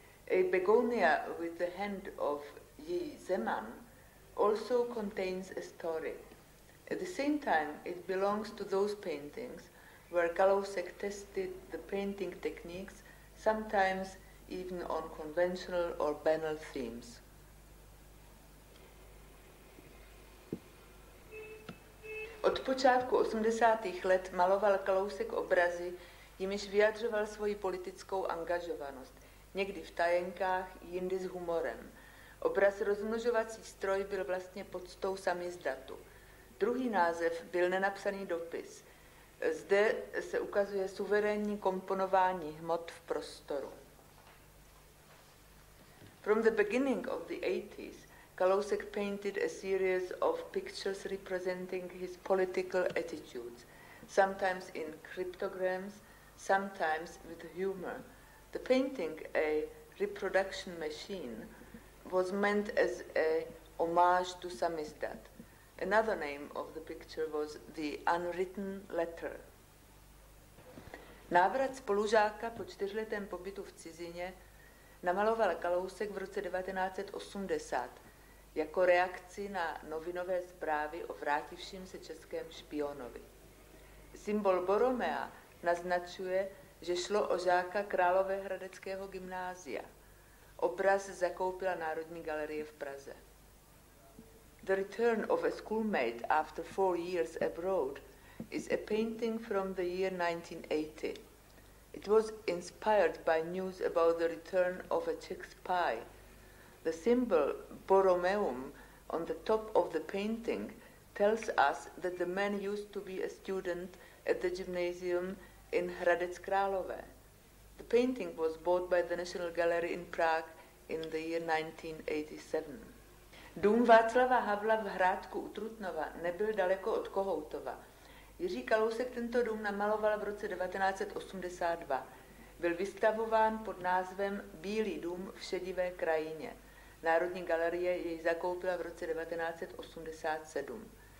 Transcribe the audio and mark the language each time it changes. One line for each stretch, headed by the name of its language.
English: A Begonia with the hand of Ji Zeman also contains a story. At the same time, it belongs to those paintings where Kalousek tested the painting techniques, sometimes even on conventional or banal themes.
Czech: Od počátku 80. let maloval Kalousek obrazy, jimiž vyjadřoval svoji politickou angažovanost, někdy v tajenkách, jindy s humorem. Obraz rozmnožovací stroj byl vlastně poctou samizdatu. Druhý název byl nenapsaný dopis. Zde se ukazuje suverénní komponování hmot v prostoru.
English: From the beginning of the 80s, Kalousek painted a series of pictures representing his political attitudes, sometimes in cryptograms, sometimes with humor. The painting, a reproduction machine, was meant as a homage to samizdat. Another name of the picture was the unwritten letter.
Czech: Návrat spolužáka po čtyřletém pobytu v cizině namaloval Kalousek v roce 1980. Jako reakci na novinové zprávy o vrátivším se českém špionovi. Symbol Boromea naznačuje, že šlo o žáka Králové hradeckého gymnázia. Obraz zakoupila Národní galerie v Praze.
English: The Return of a Schoolmate After 4 Years Abroad is a painting from the year 1980. It was inspired by news about the return of a Czech spy. The symbol Boromeum on the top of the painting tells us that the man used to be a student at the gymnasium in Hradec Králové. The painting was bought by the National Gallery in Prague in the year 1987.
Czech: Dům Václava Havla v Hrádku u Trutnova nebyl daleko od Kohoutova. Jiří Kalousek tento dům namaloval v roce 1982. Byl vystavován pod názvem Bílý dům v šedivé krajině. Národní galerie jej zakoupila v roce 1987.